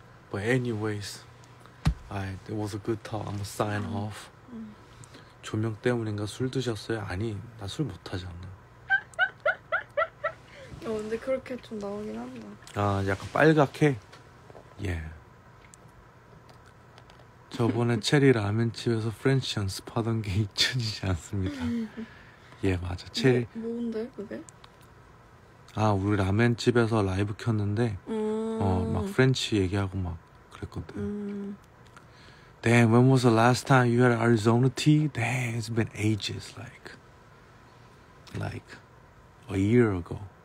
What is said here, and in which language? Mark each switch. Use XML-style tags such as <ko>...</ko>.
<en>But anyways, alright, it was a good talk. I'm gonna sign off.</en> <ko>조명 때문인가 술 드셨어요? 아니, 나 술 못 하잖아. 근데 그렇게 좀 나오긴 한다. 아, 약간 빨갛게? 예. Yeah. 저번에 체리 라면 집에서 프렌치 연습하던 게 잊혀지지 않습니다. 예, 맞아. 체리. 뭔데 그게? 아, 우리 라면 집에서 라이브 켰는데, 막 프렌치 얘기하고 막 그랬거든.</ko> <en>Damn, when was the last time you had Arizona tea? Damn, it's been ages, like a year ago.</en>